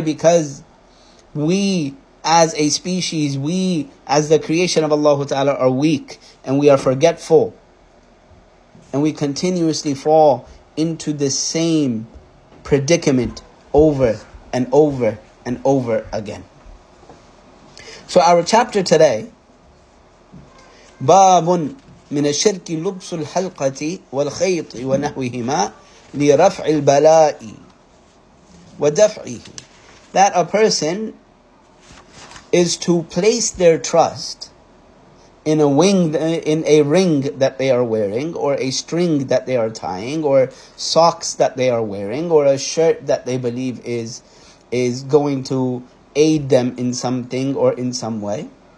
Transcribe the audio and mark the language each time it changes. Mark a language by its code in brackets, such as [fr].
[en] Because we as a species, we as the creation of Allah Ta'ala are weak and we are forgetful. And we continuously fall into the same predicament over and over and over again. So our chapter today, [ar] بَابٌ مِنَ الشِّرْكِ لُبْسُ الْحَلْقَةِ وَالْخَيْطِ وَنَحْوِهِمَا لِرَفْعِ الْبَلَاءِ وَدَفْعِهِ. [en] That a person is to place their trust in a wing, in a ring that they are wearing, or a string that they are tying, or socks that they are wearing, or a shirt that they believe is going to aid them in something or in some way.